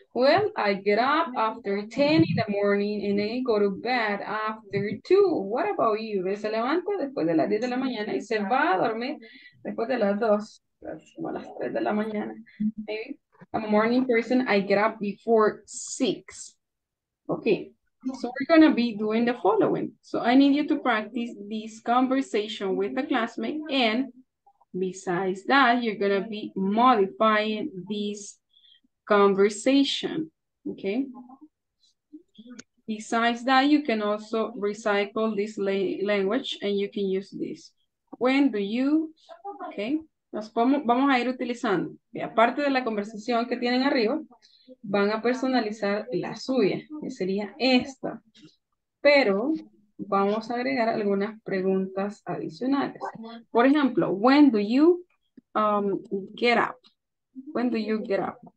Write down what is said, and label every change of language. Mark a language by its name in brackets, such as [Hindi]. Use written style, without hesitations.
[English] Well, I get up after 10 in the morning and I go to bed after 2. What about you? [Spanish] Se levanta después de las 10 de la mañana y se va a dormir después de las 2, como a las 3 de la mañana. [English] Maybe. I'm a morning person. I get up before 6. Okay. So we're going to be doing the following. So I need you to practice this conversation with the classmate. And besides that, you're going to be modifying this conversation. Okay. Besides that, you can also recycle this language and you can use this. When do you? Okay. [Spanish] Nos vamos a ir utilizando. Aparte de la conversación que tienen arriba, van a personalizar la suya, que sería esta. Pero vamos a agregar algunas preguntas adicionales. Por ejemplo, [English] when do you get up? When do you get up?